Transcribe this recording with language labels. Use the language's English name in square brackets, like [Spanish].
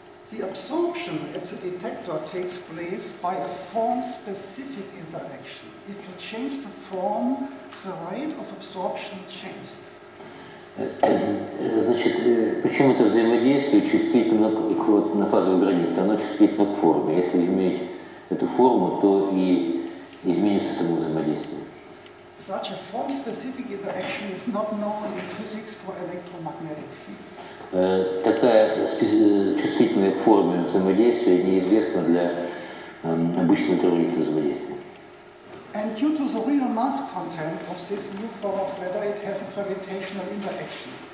[English] The absorption at the detector takes place by a form-specific interaction. If you change the form, the rate of absorption changes. [Russian] Значит, почему это взаимодействие чувствительно к, вот, на фазовой границе? Оно чувствительно к форме. Если изменить эту форму, то и изменится само взаимодействие. [English] Such a form-specific interaction is not known in physics for electromagnetic fields. [Russian] Такая чувствительная к форме взаимодействия неизвестна для обычной теории взаимодействия. [English] And due to the real mass content of this new form of matter, it has a gravitational interaction.